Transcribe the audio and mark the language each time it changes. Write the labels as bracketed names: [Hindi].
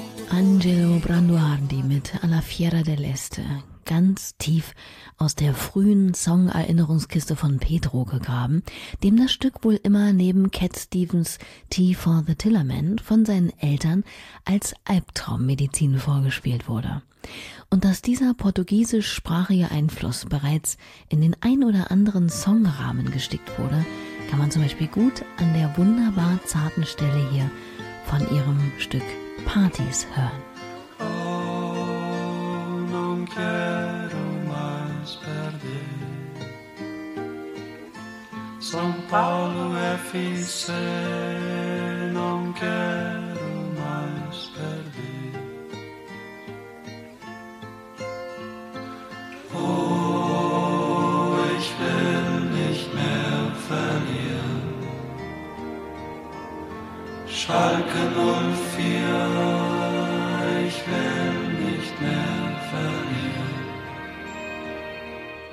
[German] Angelo Branduardi mit Alla Fiera dell'Este, ganz tief aus der frühen Song-Erinnerungskiste von Pedro gegraben, dem das Stück wohl immer neben Cat Stevens' Tea for the Tillerman von seinen Eltern als Albtraummedizin vorgespielt wurde. Und dass dieser portugiesischsprachige Einfluss bereits in den ein oder anderen Songrahmen gestickt wurde, kann man zum Beispiel gut an der wunderbar zarten Stelle hier von ihrem Stück Partys hören. [Portuguese] Oh, non quero mais perder São Paulo FC, non quero mais perder. [German] Oh, ich will nicht mehr verlieren. Schalke 04, ich will nicht mehr verlieren.